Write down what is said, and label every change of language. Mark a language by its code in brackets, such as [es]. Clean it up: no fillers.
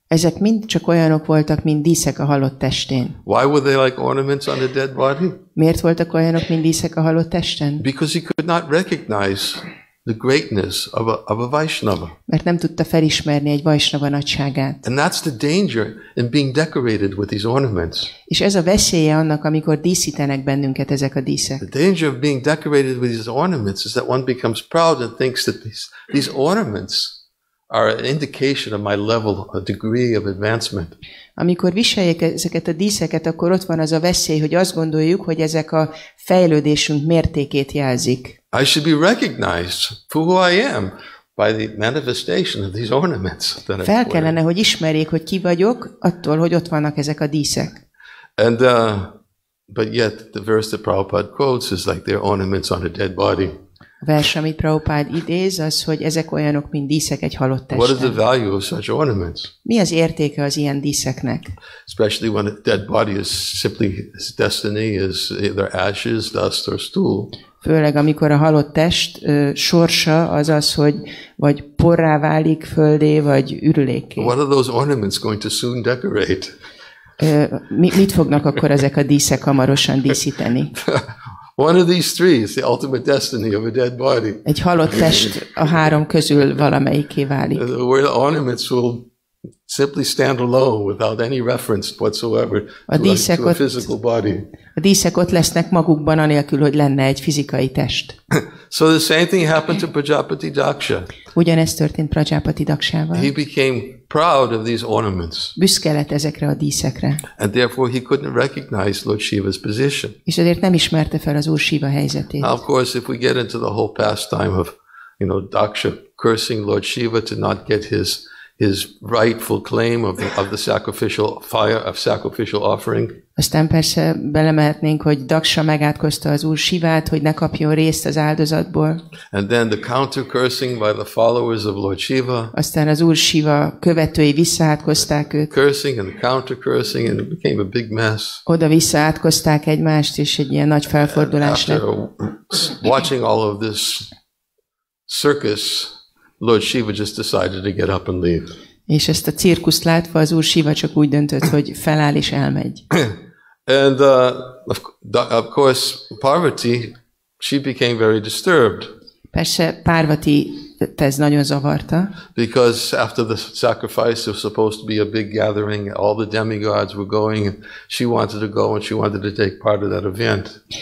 [hu] Ezek mind csak olyanok voltak, mint díszek a halott testén. [en] Why were they like ornaments on a dead body? [hu] Miért voltak olyanok, mint díszek a halott testen? [en] Because he could not recognize the greatness of a Vaishnava. [hu] Mert nem tudta felismerni egy Vaishnava nagyságát. [en] And that's the danger in being decorated with these ornaments. [hu] És ez a veszélye annak, amikor díszítenek bennünket ezek a díszek. [en] The danger of being decorated with these ornaments is that one becomes proud and thinks that these ornaments are an indication of my level, a degree of advancement. [hu] Amikor viseljük ezeket a díszeket, akkor ott van az a veszély, hogy azt gondoljuk, hogy ezek a fejlődésünk mértékét jelzik. [en] I should be recognized for who I am by the manifestation of these ornaments that I wear. [hu] Fel kellene, hogy ismerjék, hogy ki vagyok, attól, hogy ott vannak ezek a díszek. [en] And but yet the verse that Prabhupada quotes is like they're ornaments on a dead body. [hu] A vers, amit Prabhupád idéz, az, hogy ezek olyanok, mint díszek egy halott testen. [en] What is the value of such ornaments? [hu] Mi az értéke az ilyen díszeknek? [en] Especially when a dead body is simply its destiny is either ashes, dust or stool. [hu] Főleg amikor a halott test sorsa az az, hogy vagy porrá válik, földé vagy ürüléké. [en] What are those ornaments going to soon decorate? [hu] Mit fognak akkor ezek a díszek hamarosan díszíteni? [en] One of these three is the ultimate destiny of a dead body. [hu] Egy halott test a három közül valamelyiké válik. [en] Where the ornaments will simply stand alone without any reference whatsoever to a physical body. [hu] A díszek ott lesznek magukban anélkül, hogy lenne egy fizikai test. [en] So the same thing happened to Prajapati Daksha. [hu] Ugyanez történt Prajapati Dakshával. [en] He became proud of these ornaments. [hu] Büszke lett ezekre a díszekre. [en] And therefore he couldn't recognize Lord Shiva's position. [hu] És ezért nem ismerte fel az Úr Shiva helyzetét. [en] Now, of course, if we get into the whole pastime of, you know, Daksha cursing Lord Shiva to not get his rightful claim of the sacrificial fire of sacrificial offering. [hu] Aztán persze belemehetnénk, hogy Daksha megátkozta az Úr Shivát, hogy ne kapjon részt az áldozatból. [en] And then the counter cursing by the followers of Lord Shiva. [hu] Aztán az Úr Shiva követői visszaátkozták őt. [en] Cursing and counter cursing and it became a big mess. [hu] Oda visszaátkozták egymást, és egy ilyen nagy felfordulás lett. [en] After watching all of this circus, Lord Shiva just decided to get up and leave. [hu] És ezt a cirkuszt látva az Úr Shiva csak úgy döntött, hogy feláll és elmegy. [en] And of course Parvati, she became very disturbed. [hu] Persze Parvati ez nagyon zavarta. [en] Because after the sacrifice, it was supposed to be a big gathering, all the demigods were going, she wanted to go and she wanted to take part of that event.